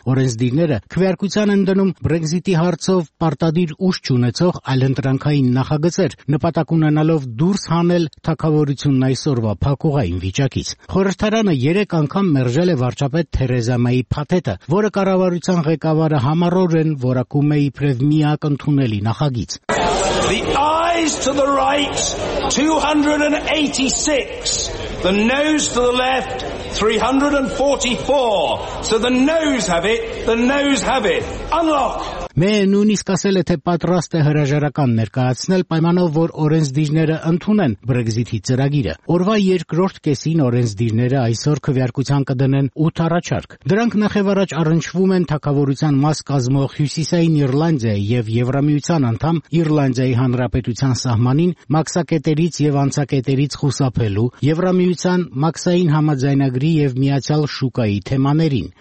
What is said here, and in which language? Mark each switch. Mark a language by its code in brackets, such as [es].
[hy] Օրենսդիրները քվեարկության են դնում Բրեքզիտի հարցով պարտադիր ուժ չունեցող այլընտրանքային նախագծեր, նպատակ ունենալով դուրս հանել թագավորությունն այսօրվա փակուղային վիճակից։ Խորհրդարանը 3 անգամ մերժել է վարչապետ Թերեզա Մեյի փաթեթը, որը կառավարության ղեկավարը համառորեն որակում է իբրև մի ակնթունելի նախագիծ։ [en] The eyes to the right 286, the nose to the left 344, so the nose have it, the nose have it. Unlock. [hy] նույնիսկ ասել է, թե պատրաստ է հրաժարական ներկայացնել պայմանով, որ օրենսդիրները ընդունեն Brexit-ի ծրագիրը։ Օրվա երկրորդ կեսին օրենսդիրները այսօր քվեարկության կդնեն 8 առաջարկ։ Դրանք նախևառաջ առնչվում են թակավորության մաս կազմող Հյուսիսային Իռլանդիայի և Եվրամիության անդամ Իռլանդիայի Հանրապետության սահմանին մաքսակետերից և անցակետերից խուսափելու, Եվրամիության մաքսային համաձայնագրի և միացյալ շուկայի թեմաներին։